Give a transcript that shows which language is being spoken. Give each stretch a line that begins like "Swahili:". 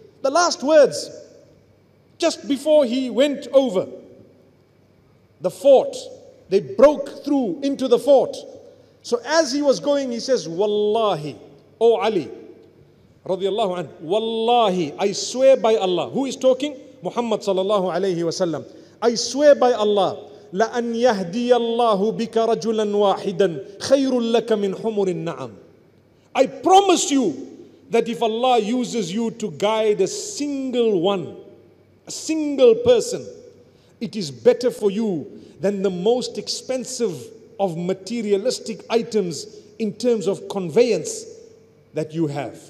English: The last words, just before he went over the fort, they broke through into the fort. So as he was going, he says, Wallahi, O Ali, radiallahu anhu, Wallahi, I swear by Allah. Who is talking? Muhammad sallallahu alayhi wasallam. I swear by Allah,
Arabic: لَأَنْ يَهْدِيَ اللَّهُ بِكَ رَجُلًا وَاحِدًا خَيْرٌ لَكَ مِنْ حُمُرِ النَّعَمِ.
English: I promise you that if Allah uses you to guide a single one, a single person, it is better for you than the most expensive of materialistic items in terms of conveyance that you have.